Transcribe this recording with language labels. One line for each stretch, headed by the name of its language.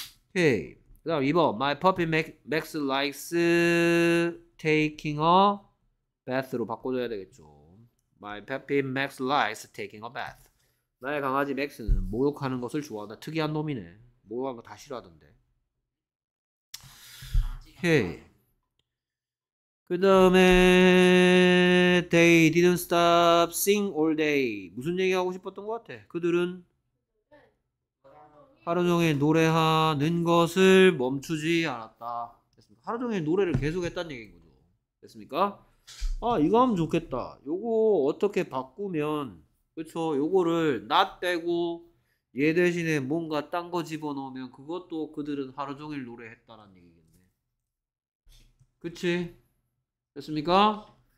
Korean: 오케이, 그 다음 2번
English: My puppy Max likes taking a bath
Korean: 로 바꿔줘야 되겠죠.
English: My puppy Max likes taking a bath.
Korean: 나의 강아지 맥스는 목욕하는 것을 좋아한다. 특이한 놈이네. 목욕하는 거 다 싫어하던데. 오케이. 그 다음에
English: They didn't stop sing all day.
Korean: 무슨 얘기하고 싶었던 것 같아? 그들은 하루 종일 노래하는 것을 멈추지 않았다. 됐습니까? 하루 종일 노래를 계속했다는 얘기인 거죠. 됐습니까? 아, 이거 하면 좋겠다. 요거 어떻게 바꾸면, 그쵸? 요거를 not 빼고 얘 대신에 뭔가 딴 거 집어넣으면 그것도 그들은 하루 종일 노래했다는 얘기겠네. 그치? 됐습니까?